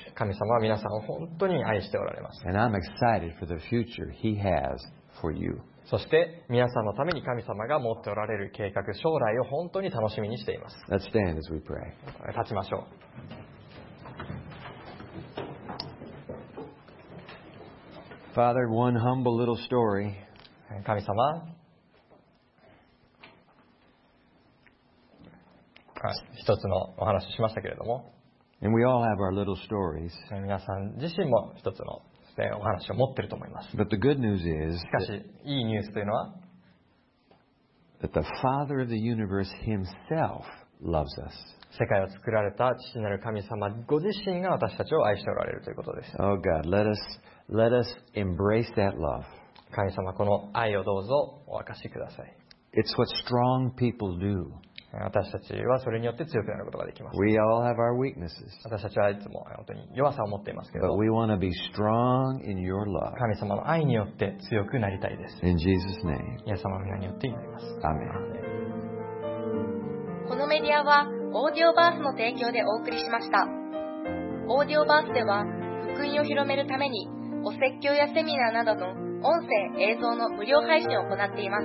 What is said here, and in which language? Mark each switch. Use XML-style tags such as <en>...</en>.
<ja>神様は皆さんを本当に愛しておられます。</ja> <en>And I'm excited for the future He has for you.</en> <ja>そして皆さんのために神様が持っておられる計画、将来を本当に楽しみにしています。</ja> <en>Let's stand as we pray.</en> <ja>立ちましょう。</ja> <en>Father, one humble little story.</en> <ja>神様。一つのお話をしましたけれども、</ja> <en>And we all have our little stories.</en> <ja>皆さん自身も一つのお話を持っていると思います。</ja> <en>But the good news is,</en> <ja>しかし、いいニュースというのは、</ja> <en>that the Father of the universe himself loves us.</en> <ja>世界を作られた父なる神様ご自身が私たちを愛しておられるということです。</ja> <en>Oh God, let us embrace that love.</en> <ja>神様、この愛をどうぞお明かしください。</ja> <en>It's what strong people do.</en> <ja>私たちはそれによって強くなることができます。</ja> <en>We all have our weaknesses.</en> <ja>私たちはいつも本当に弱さを持っていますけど。</ja> <en>But we want to be strong in your love.</en> <ja>神様の愛によって強くなりたいです。</ja> <en>In Jesus' name.</en> <ja>イエス様の名によって祈ります。</ja> <en>Amen.</en> <ja>このメディアはオーディオバースの提供でお送りしました。オーディオバースでは福音を広めるためにお説教やセミナーなどの音声、映像の無料配信を行っています。</ja>